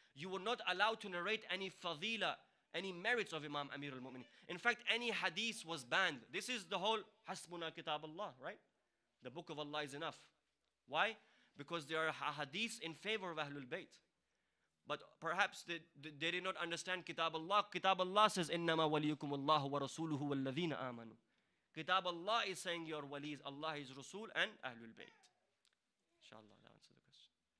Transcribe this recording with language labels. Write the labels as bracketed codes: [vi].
[en] You were not allowed to narrate any fadila, any merits of Imam Amir al-Mu'mineen. In fact, any hadith was banned. This is the whole Hasbuna kitab Allah, right? The book of Allah is enough. Why? Because there are ahadiths in favor of Ahlul Bayt. But perhaps they did not understand Kitab Allah. Kitab Allah says, [ar] إِنَّمَا وَلِيُكُمُ اللَّهُ وَرَسُولُهُ وَالَّذِينَ آمَنُوا. [en] Kitab Allah is saying your walis, Allah is Rasul and Ahlul Bayt. InshaAllah, that answers the question.